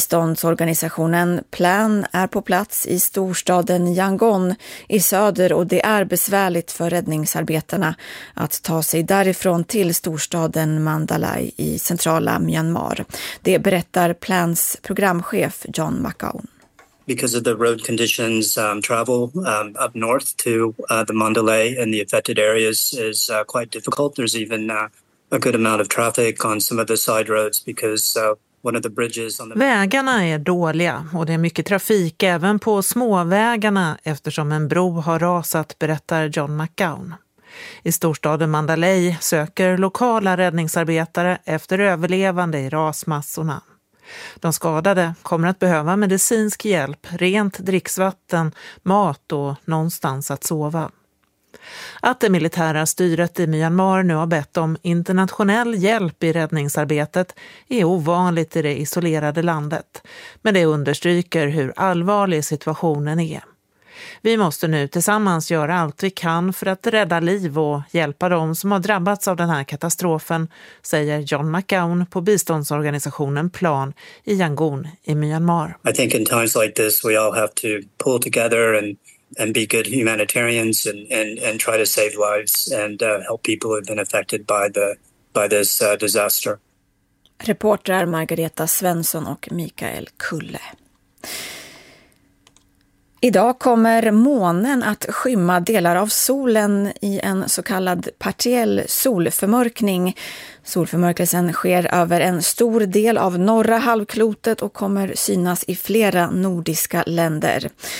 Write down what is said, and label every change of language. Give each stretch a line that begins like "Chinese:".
Swedish: Biståndsorganisationen Plan är på plats i storstaden Yangon i söder och det är besvärligt för räddningsarbetarna att ta sig därifrån till storstaden Mandalay i centrala Myanmar. Det berättar Plans programchef John McCown.
English: Because of the road conditions, travel up north to the Mandalay and the affected areas is quite difficult. There's even a good amount of traffic on some of the side roads because one of the bridges on the...
Swedish: Vägarna är dåliga och det är mycket trafik även på småvägarna eftersom en bro har rasat, berättar John McCown. I storstaden Mandalay söker lokala räddningsarbetare efter överlevande i rasmassorna. De skadade kommer att behöva medicinsk hjälp, rent dricksvatten, mat och någonstans att sova. Att det militära styret i Myanmar nu har bett om internationell hjälp i räddningsarbetet är ovanligt i det isolerade landet, men det understryker hur allvarlig situationen är. Vi måste nu tillsammans göra allt vi kan för att rädda liv och hjälpa dem som har drabbats av den här katastrofen, säger John McCown på biståndsorganisationen Plan i Yangon i Myanmar.
English: I think in times like this we all have to pull together and be good humanitarians and try to save lives and help people who have been affected by this disaster.
Swedish: Reporter Margareta Svensson och Mikael Kulle. Idag kommer månen att skymma delar av solen i en så kallad partiell solförmörkning. Solförmörkelsen sker över en stor del av norra halvklotet och kommer synas i flera nordiska länder.